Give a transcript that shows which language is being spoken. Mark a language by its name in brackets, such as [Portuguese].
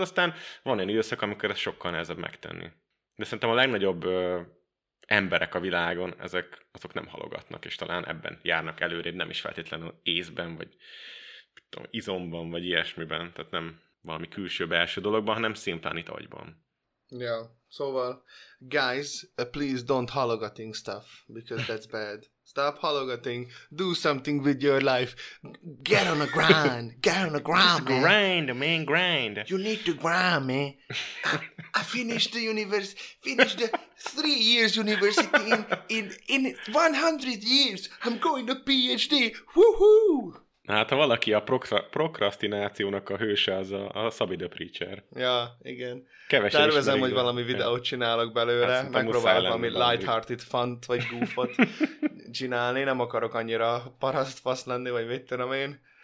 [Hungarian] Aztán van egy időszak, amikor ez sokkal nehezebb megtenni. De szerintem a legnagyobb emberek a világon, ezek azok nem halogatnak, és talán ebben járnak előrébb, nem is feltétlenül észben, vagy tudom, izomban, vagy ilyesmiben, tehát nem valami külső-belső dologban, hanem szimplán itt agyban. Ja, szóval, [English] guys, please don't halogatink stuff, because that's bad. Stop halogatink, do something with your life, get on the grind, man. Grind, man, grind. You need to grind, man. I finished the university, finished the 3 years university in 100 years. I'm going to PhD, woohoo! [Hungarian] Hát, ha valaki a prokrasztinációnak a hőse, az a Szabi The Preacher. Ja, igen. Kevesen tervezem, hogy valami videót csinálok belőle, megpróbálok valami [English] lighthearted fun- [Hungarian] t vagy goof-ot csinálni, nem akarok annyira parasztfasz lenni, vagy mit tudom én.